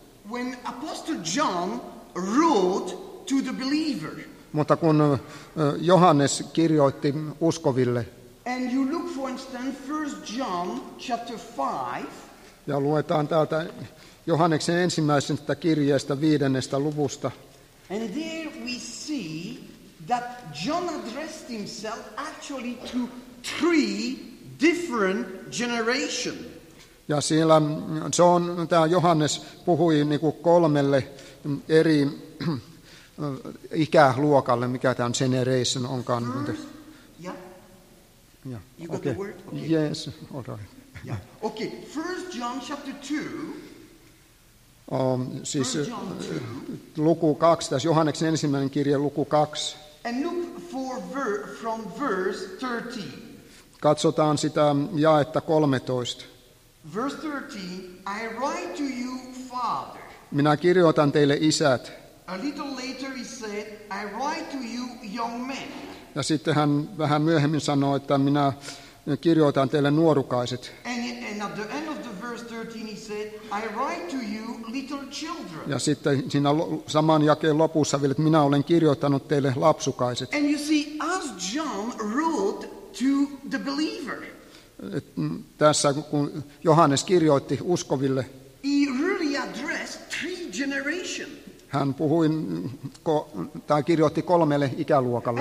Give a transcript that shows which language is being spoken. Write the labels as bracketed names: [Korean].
[English] When Apostle John wrote to the believer. [Finnish] Mutta kun Johannes kirjoitti uskoville. [English] And you look for instance 1 John chapter 5. [Finnish] Ja luetaan täältä Johanneksen ensimmäisestä kirjeestä 5. luvusta. [English] And there we see that John addressed himself actually to three different generations. [Finnish] Ja siellä John, tämä Johannes puhui niin kuin kolmelle eri ikäluokalle, mikä tämä generation onkaan. [English] First, yeah. Yeah. You got okay. The word? Okay. Yes, all right. Yeah. Okay, 1 John chapter 2. [Finnish] Siis John 2. Luku 2, tässä Johanneksen ensimmäinen kirja luku 2. [English] And look for from verse 13. [Finnish] Katsotaan sitä jaetta 13. [English] Verse 13, I write to you, Father. [Finnish] Minä kirjoitan teille isät. [English] A little later he said, I write to you, young men. [Finnish] Ja sitten hän vähän myöhemmin sanoi, että minä kirjoitan teille nuorukaiset. [English] And at the end of the verse 13 he said, I write to you, little children. [Finnish] Ja sitten siinä saman jakeen lopussa vielä, että minä olen kirjoittanut teille lapsukaiset. [English] And you see, as John wrote to the believer. [Finnish] Tässä kun Johannes kirjoitti uskoville, [English] he really addressed three generations. [Finnish] Hän puhui tai kirjoitti kolmelle ikäluokalle.